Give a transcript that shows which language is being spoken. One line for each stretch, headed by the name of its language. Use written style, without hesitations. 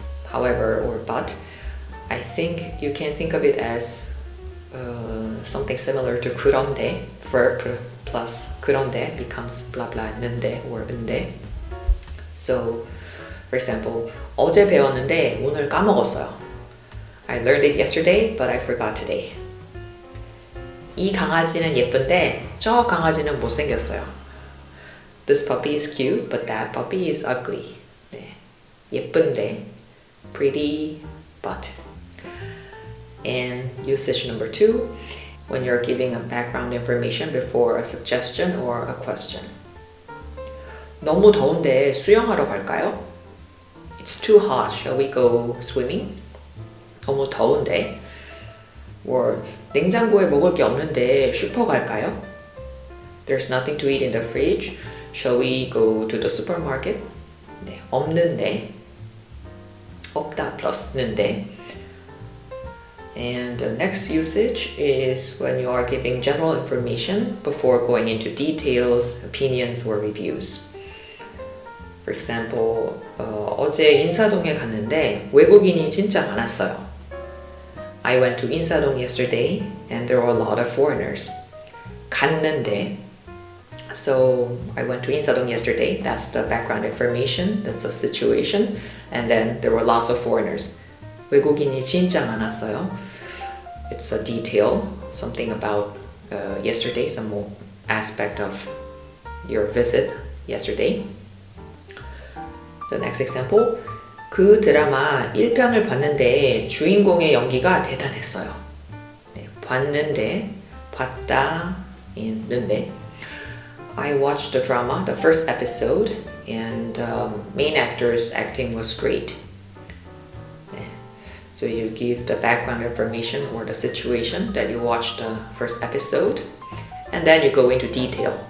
English: However or but, I think you can think of it as something similar to 그런데, verb plus 그런데 becomes blah blah 는데 or 은데. So, for example,
Korean: 어제 배웠는데 오늘 까먹었어요.
English: I learned it yesterday, but I forgot today.
Korean: 이 강아지는 예쁜데 저 강아지는 못생겼어요.
English: This puppy is cute, but that puppy is ugly.
Korean: 네. 예쁜데,
English: pretty, but. And usage number two, when you're giving a background information before a suggestion or a question.
Korean: 너무 더운데 수영하러 갈까요?
English: It's too hot, shall we go swimming?
Korean: 너무 더운데? Or 냉장고에 먹을 게 없는데 슈퍼 갈까요?
English: There's nothing to eat in the fridge. Shall we go to the supermarket?
Korean: 네, 없는데. 없다 plus 는데.
English: And the next usage is when you are giving general information before going into details, opinions, or reviews. For example,
Korean: 어제 인사동에 갔는데 외국인이 진짜 많았어요.
English: I went to Insadong yesterday, and there were a lot of foreigners.
Korean: 갔는데.
English: So, I went to Insadong yesterday. That's the background information. That's a situation. And then, there were lots of foreigners.
Korean: 외국인이 진짜 많았어요.
English: It's a detail. Something about yesterday. Some aspect of your visit yesterday. The next example.
Korean: 그 드라마 1편을 봤는데 주인공의 연기가 대단했어요. 네, 봤는데, 봤다, 있는데.
English: I watched the drama, the first episode, and the main actor's acting was great.
Korean: 네.
English: So you give the background information or the situation that you watched the first episode, and then you go into detail.